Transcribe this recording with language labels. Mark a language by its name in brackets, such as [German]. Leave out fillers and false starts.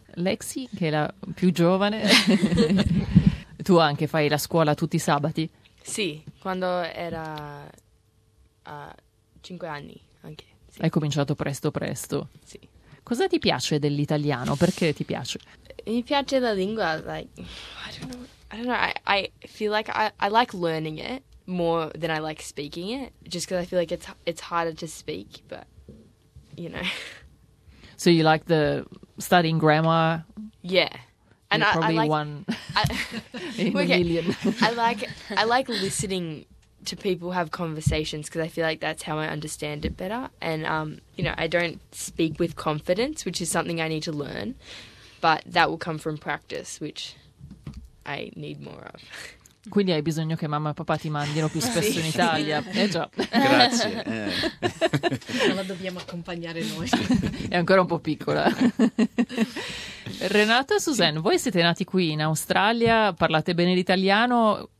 [Italian] Lexi, che è la più giovane, tu anche fai la scuola tutti i sabati? Sì, quando era a 5 anni anche. Sì. Hai cominciato presto. Sì. Cosa ti piace dell'italiano? Perché ti piace? Mi piace la lingua, [English] like, I don't know, I feel like I like learning it, more than I like speaking it, just because I feel like it's harder to speak, but, you know. So you like the studying grammar? Yeah. And you're probably one in a million. I like listening to people have conversations because I feel like that's how I understand it better. And, you know, I don't speak with confidence, which is something I need to learn, but that will come from practice, which I need more of. [Italian] Quindi hai bisogno che mamma e papà ti mandino più spesso in Italia. Già. Grazie. La dobbiamo accompagnare noi. È ancora un po' piccola. Renato e Suzanne, sì. Voi siete nati qui in Australia, parlate bene l'italiano.